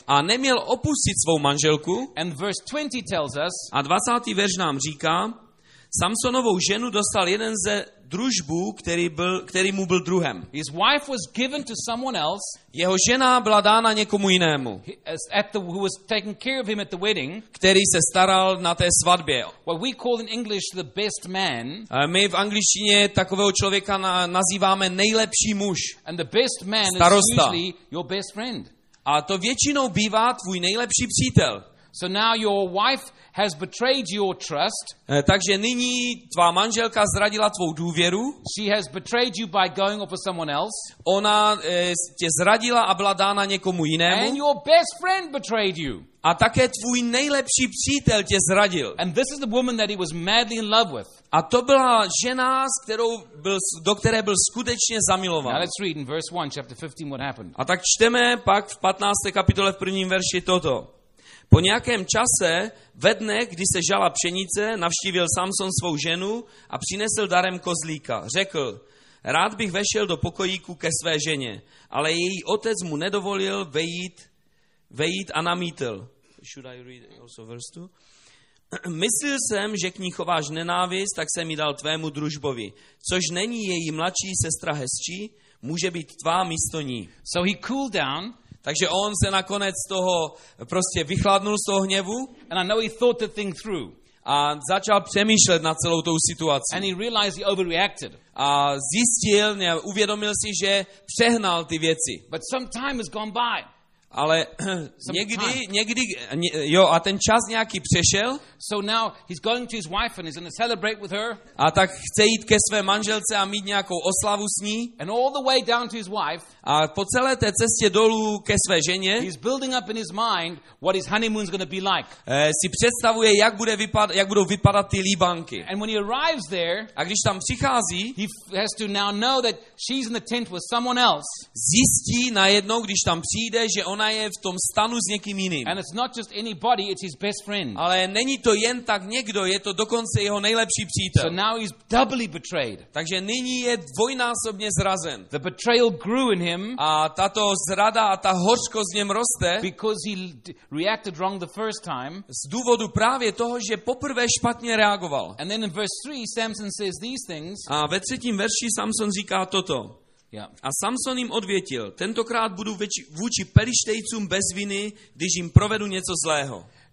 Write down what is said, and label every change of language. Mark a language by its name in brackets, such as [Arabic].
[Czech] A neměl opustit svou manželku. [English] And verse 20 tells us. [Czech] A 20. verš nám říká, Samsonovou ženu dostal jeden ze družbů, který mu byl druhem. [English] His wife was given to someone else. [Czech] Jeho žena byla dána někomu jinému. [English] Who was taking care of him at the wedding. [Czech] Který se staral na té svatbě. [English] What we call in English the best man. [Czech] My v angličtině takového člověka nazýváme nejlepší muž. [English] And the best man [Czech] starosta. [English] Is usually your best friend. [Czech] A to většinou bývá tvůj nejlepší přítel. [English] So now your wife has betrayed your trust. [Czech] Takže nyní tvá manželka zradila tvou důvěru. [English] She has betrayed you by going off with someone else. [Czech] Ona tě zradila a byla dána někomu jinému. [English] And your best friend betrayed you. [Czech] A také tvůj nejlepší přítel tě zradil. [English] And this is the woman that he was madly in love with. [Czech] A to byla žena, do které byl skutečně zamilován. [English] Now let's read in verse 1, chapter 15, what happened. [Czech] A tak čteme pak v 15. kapitole v prvním verši toto. Po nějakém čase, ve dne, kdy se žala pšenice, navštívil Samson svou ženu a přinesl darem kozlíka. Řekl, rád bych vešel do pokojíku ke své ženě, ale její otec mu nedovolil vejít vejít a namítl. [English] Should I read also verse 2? [Czech] Myslil jsem, že k ní chováš nenávist, tak jsem ji dal tvému družbovi. Což není její mladší sestra hezčí, může být tvá místo ní. [English] So he cooled down. [Czech] Takže on se nakonec toho prostě vychladnul z toho hněvu. [English] And I know he thought the thing through. [Czech] A začal přemýšlet nad celou tou situací. [English] And he realized he overreacted. [Czech] A zjistil, ne, uvědomil si, že přehnal ty věci. [English] But some time has gone by. [Czech] Ale někdy, a ten čas nějaký přešel. [English] So now he's going to his wife and he's going to celebrate with her. [Czech] A tak chce jít ke své manželce a mít nějakou oslavu s ní. [English] And all the way down to his wife. [Czech] A po celé té cestě dolů ke své ženě. [English] He's building up in his mind what his honeymoon's going to be like. [Czech] Si představuje, jak budou vypadat ty líbánky. [English] And when he arrives there. [Czech] A když tam přichází, [English] he has to now know that she's in the tent with someone else. [Czech] Zjistí najednou, když tam přijde, že ona je v tom stanu s někým jiným. [English] And it's not just anybody, it's his best friend. [Czech] Ale není to jen tak někdo, je to dokonce jeho nejlepší přítel. [English] So now he's doubly betrayed. [Czech] Takže nyní je dvojnásobně zrazen. [English] The betrayal grew in him. [Czech] A tato zrada a ta hořkost v něm roste. [English] Because he reacted wrong the first time. [Czech] Z důvodu právě toho, že poprvé špatně reagoval. [English] And then in verse 3 Samson says these things. [Czech] A ve třetím verši Samson říká toto. [English] Yeah. [Czech] A Samson jim odvětil, tentokrát budu vůči Pelištejcům bez viny, když jim provedu něco zlého.